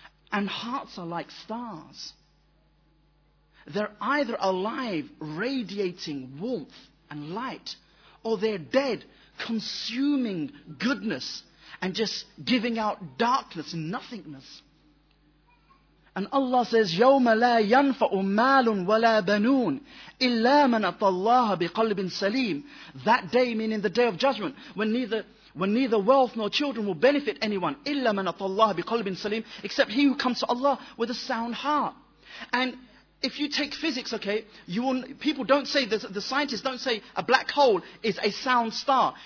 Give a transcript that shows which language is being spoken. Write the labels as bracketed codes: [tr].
[en] And hearts are like stars. They're either alive, radiating warmth and light, or they're dead, consuming goodness and just giving out darkness and nothingness. And Allah says, [ar] يَوْمَ لَا يَنْفَعُ مَالٌ وَلَا بَنُونَ إِلَّا مَنْ أَطَى اللَّهَ بِقَلْبٍ سَلِيمٍ. [en] That day, meaning the day of judgment, when neither wealth nor children will benefit anyone, [ar] إِلَّا مَنْ أَطَى اللَّهَ بِقَلْبٍ سَلِيمٍ, [en] except he who comes to Allah with a sound heart. And if you take physics, okay, the scientists don't say a black hole is a sound star.